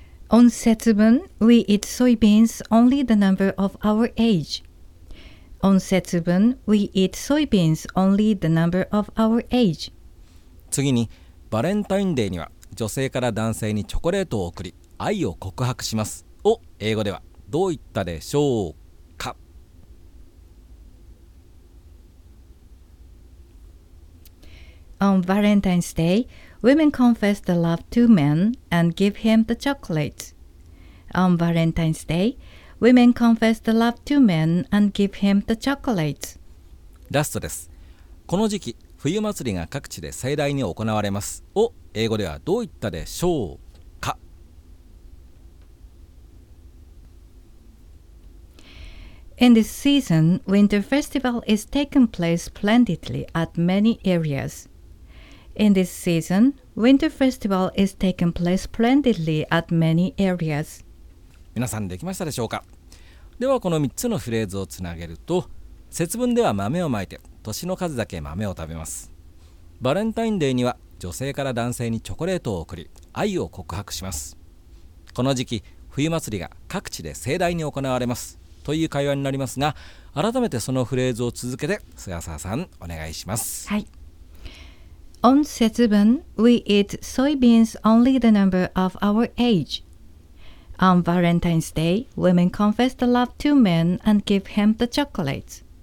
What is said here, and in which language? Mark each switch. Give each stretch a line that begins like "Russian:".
English: On 節分, we eat soybeans only the number of our age. On 節分, we eat soybeans only the number of our age.
Japanese: 次に、バレンタインデーには女性から男性にチョコレートを贈り、愛を告白しますを英語ではどう言ったでしょうか？
English: On Valentine's Day, women confess the love to men and give him the chocolate. On Valentine's Day, women confess the love to men and give him the chocolate.
Japanese: ラストです。この時期、冬祭りが各地で盛大に行われますを英語ではどう言ったでしょうか？
English: In this season, winter festival is taking place splendidly at many areas. In this season, winter festival is taking place splendidly at many areas.
Japanese: 皆さんできましたでしょうか？ではこの3つのフレーズをつなげると、節分では豆をまいて、年の数だけ豆を食べます。バレンタインデーには女性から男性にチョコレートを贈り、愛を告白します。この時期、冬祭りが各地で盛大に行われますという会話になりますが、改めてそのフレーズを続けて、菅沢さんお願いします。はい。
English: On 節分, we eat soybeans only the number of our age. On Valentine's Day, women confess the love to men and give him the chocolate.